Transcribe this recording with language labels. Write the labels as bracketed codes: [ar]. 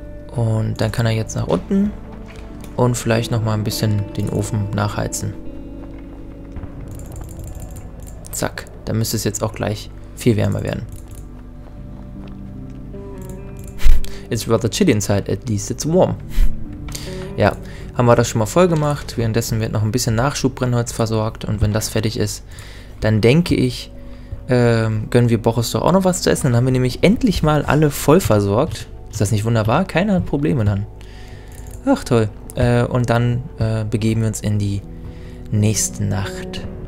[de] Und dann kann er jetzt nach unten und vielleicht nochmal ein bisschen den Ofen nachheizen. Zack, da müsste es jetzt auch gleich viel wärmer werden. [en] It's rather chilly inside, at least it's warm. [de] Ja, haben wir das schon mal voll gemacht. Währenddessen wird noch ein bisschen Nachschubbrennholz versorgt. Und wenn das fertig ist, dann denke ich, gönnen wir Boris doch auch noch was zu essen. Dann haben wir nämlich endlich mal alle voll versorgt. Ist das nicht wunderbar? Keiner hat Probleme dann. Ach toll. Und dann begeben wir uns in die nächste Nacht.